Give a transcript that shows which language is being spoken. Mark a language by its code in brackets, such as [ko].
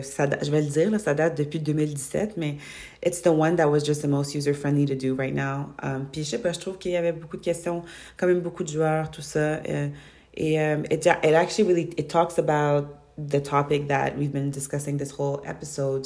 [fr] je vais le dire, là, ça date depuis 2017, mais [en] it's the one that was just the most user-friendly to do right now. [fr] Puis, je sais pas, je trouve qu'il y avait beaucoup de questions, quand même beaucoup de joueurs, tout ça. [en] It talks about the topic that we've been discussing this whole episode.